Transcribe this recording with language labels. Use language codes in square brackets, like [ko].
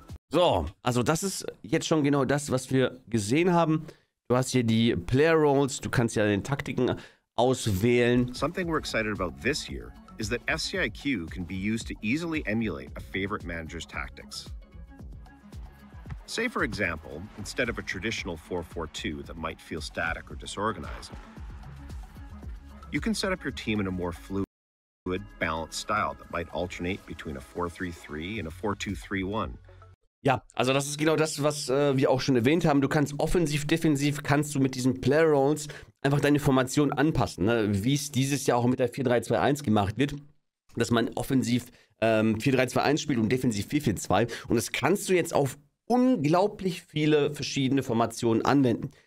[de] So, also das ist jetzt schon genau das, was wir gesehen haben. Du hast hier die Player-Roles, du kannst ja deine Taktiken auswählen. [en] Something we're excited about this year is that FCIQ can be used to easily emulate a favorite manager's tactics. Say for example, instead of a traditional 4-4-2 that might feel static or disorganized, you can set up your team in a more fluid, balanced style that might alternate between a 4-3-3 and a 4-2-3-1. [de] Ja, also das ist genau das, was wir auch schon erwähnt haben. Du kannst offensiv, defensiv, kannst du mit diesen Player Roles einfach deine Formation anpassen, ne? Wie es dieses Jahr auch mit der 4-3-2-1 gemacht wird, dass man offensiv 4-3-2-1 spielt und defensiv 4-4-2. Und das kannst du jetzt auf unglaublich viele verschiedene Formationen anwenden.